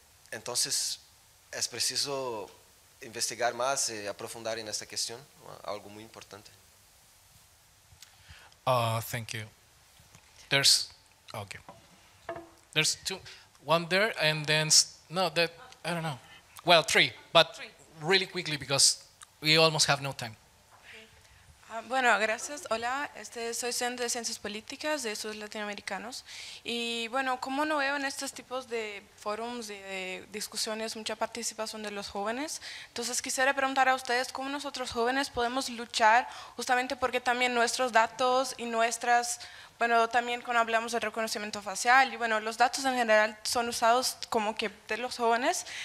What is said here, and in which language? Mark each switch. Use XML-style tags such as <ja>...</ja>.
<es>Entonces es preciso investigar más y aprofundar en esta cuestión, algo muy importante.</es> <en>Thank you. There's two, one there, and then, no, that, I don't know. Well, three, but three. Really quickly, because we almost have no time.</en> <es>Bueno, gracias. Hola, soy Centro de Ciencias Políticas de Estudios Latinoamericanos. Y bueno, como no veo en estos tipos de foros y de discusiones mucha participación de los jóvenes, entonces quisiera preguntar a ustedes cómo nosotros jóvenes podemos luchar justamente porque también nuestros datos y nuestras, bueno, también cuando hablamos de reconocimiento facial y bueno, los datos en general son usados como que de los jóvenes.</es>